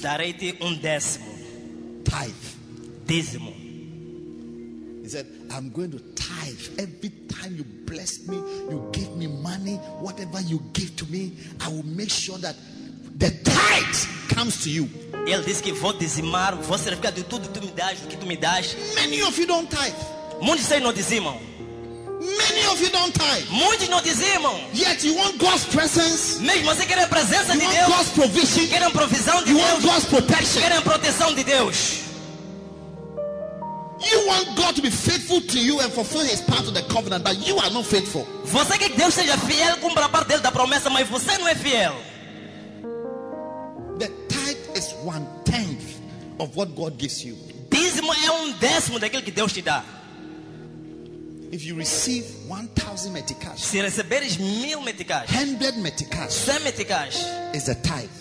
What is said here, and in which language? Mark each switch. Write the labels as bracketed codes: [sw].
[pt] Darei-te 1/10. [en] Tithe. [pt] Dízimo. [en] He said, I'm going to tithe. Every time you bless me, you give me money, whatever you give to me, I will make sure that the tithe comes to you. [pt] Ele disse que vou dizimar, vou certificar de tudo que tu me dás, do que tu me dás. [en] Many of you don't tithe. [pt] Muitos não dizimam. [en] Many of you don't tithe. [pt] Muitos não dizimam. [en] Yet you want God's presence. [pt] Mesmo você quer a presença de Deus. [en] You want God's provision. [pt] Quer a provisão de Deus. [en] You want God's protection. [pt] Quer a proteção de Deus. [en] You want God to be faithful to you and fulfill his part of the covenant, but you are not faithful. [pt] Você quer que Deus seja fiel, cumpra a parte dele da promessa, mas você não é fiel. [en] The tithe is 1/10 of what God gives you. [pt] Dízimo é 1/10 daquilo que Deus te dá. [en] If you receive 1,000 meticais, [pt] se receberes 1,000 meticais, [en] 100 meticais, [pt] 100 meticais, [en] is a tithe.